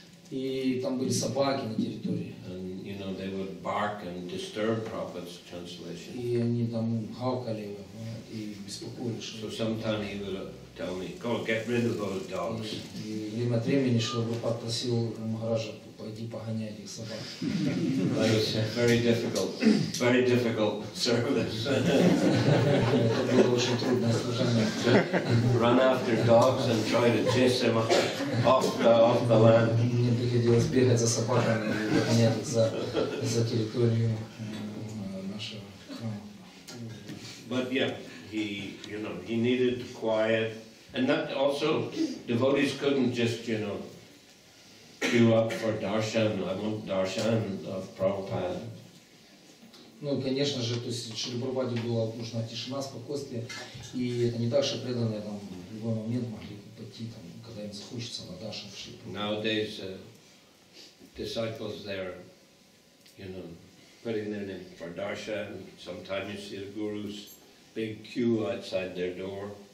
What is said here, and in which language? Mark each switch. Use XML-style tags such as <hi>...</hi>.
<ru>И там были собаки на территории.</ru> <en>And, you know, they would bark and disturb Prabhupada's translation.</en> <ru>И они там гавкали и беспокоили Шрила.</ru> <en>So sometimes he would tell me, go get rid of those dogs.</en> <ru>И время от времени Шрила Прабхупада просил Махараджа, пойди погоняй этих собак.</ru> <en>Very difficult service.</en> <ru>Это было очень трудное служение.</ru> <en>Run after dogs and try to chase them off the land.</en> <ru>Мне приходилось бегать за собаками и погонять их за территорию нашего храма.</ru> <en>But yeah, he, you know, he needed quiet, and that also devotees couldn't just, you know, queue up for darshan. I want darshan of Prabhupada.</en> <ru>Ну, конечно же, то есть Шриле Прабхупаде была нужна тишина, спокойствие, и это не так, что преданные там в любой момент могли пойти там, когда им захочется, на даршан в Шриле Прабхупаде.</ru> <en>Nowadays disciples, they're, you know, putting their name for darshan. Sometimes you see the gurus big queue outside their door.</en>